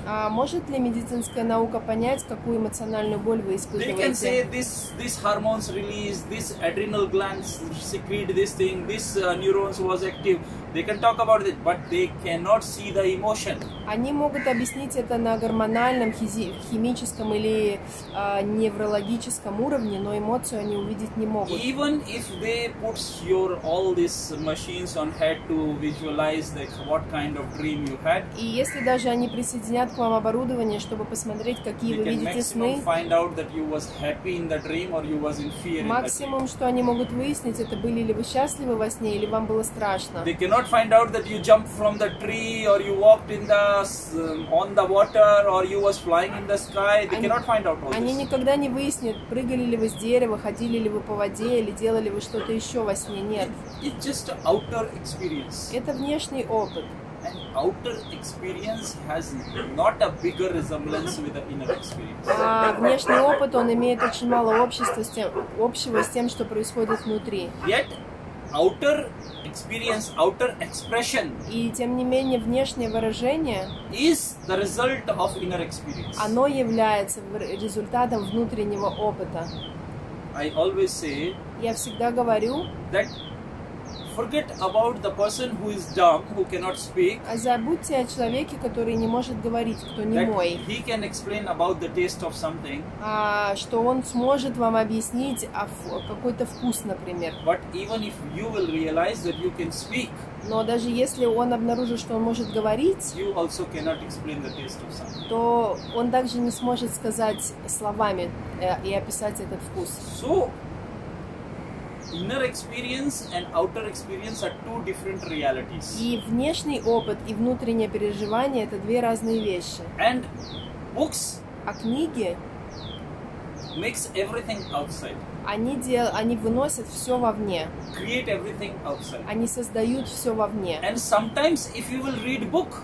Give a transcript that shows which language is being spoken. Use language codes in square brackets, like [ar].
[ru] Может ли медицинская наука понять, какую эмоциональную боль вы испытываете? [en] They can say this hormones release, this adrenal glands secrete this thing, this neurons was active. They can talk about it, but they cannot see the emotion. [ru] Они могут объяснить это на гормональном, химическом или неврологическом уровне, но эмоцию они увидеть не могут. [en] Even if they put your all these machines on head to visualize like what kind of dream you had. [ru] И если даже они присоединят к вам оборудование, чтобы посмотреть, какие вы видите сны. [en] They can find out that you was happy in the dream or you was in fear. [ru] Максимум, что они могут выяснить, это были ли вы счастливы во сне или вам было страшно. [en] Not find out that you jumped from the tree or you walked in the on the water or you was flying in the sky. They cannot find out all this. [ru] Они никогда не выяснят, прыгали ли вы с дерева, ходили ли вы по воде или делали вы что-то еще во сне. Нет. [en] It's just outer experience. [ru] Это внешний опыт. [en] And outer experience has not a bigger resemblance with the inner experience. [ru] А внешний опыт он имеет очень мало общего с тем, что происходит внутри. [en] Yet outer experience, outer expression. [ru] И тем не менее внешнее выражение [en] is the result of inner experience. [ru] Оно является результатом внутреннего опыта. [en] I always say. [ru] Я всегда говорю. [en] That forget about the person who is dumb, who cannot speak. [ru] А забудьте о человеке, который не может говорить, кто немой. [en] He can explain about the taste of something. [ru] А что он сможет вам объяснить о какой-то вкус, например. [en] But even if you will realize that you can speak. [ru] Но даже если он обнаружит, что он может говорить, [en] you also cannot explain the taste of something. [ru] То он также не сможет сказать словами и описать этот вкус. [en] So, inner experience and outer experience are two different realities. [ru] И внешний опыт и внутреннее переживание это две разные вещи. [en] And books, [ru] а книги [en] makes everything outside. [ru] Они выносят все вовне. [en] Create everything outside. [ru] Они создают все вовне. [en] And sometimes if you will read book,